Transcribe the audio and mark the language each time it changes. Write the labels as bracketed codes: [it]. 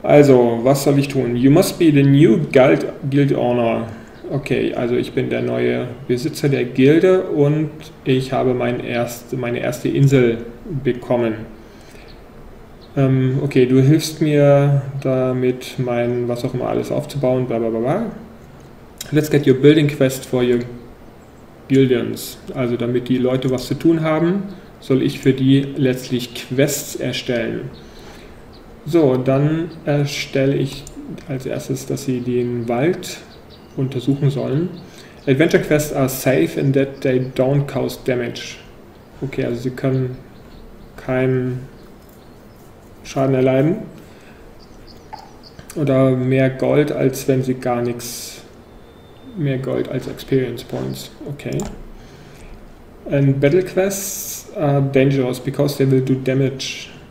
[de] Also, was soll ich tun? [en] You must be the new Guild Owner. [de] Okay, also ich bin der neue Besitzer der Gilde und ich habe meine erste Insel bekommen. Okay, du hilfst mir damit, mein was auch immer alles aufzubauen, bla bla bla bla. [en] Let's get your building quest for your guildians. [de] Also damit die Leute was zu tun haben, soll ich für die letztlich Quests erstellen. So, dann erstelle ich als erstes, dass sie den Wald untersuchen sollen. [en] Adventure quests are safe in that they don't cause damage. [de] Okay, also sie können keinen Schaden erleiden oder mehr Gold als Experience Points. Okay. [en] And Battle Quests are dangerous because they will do damage.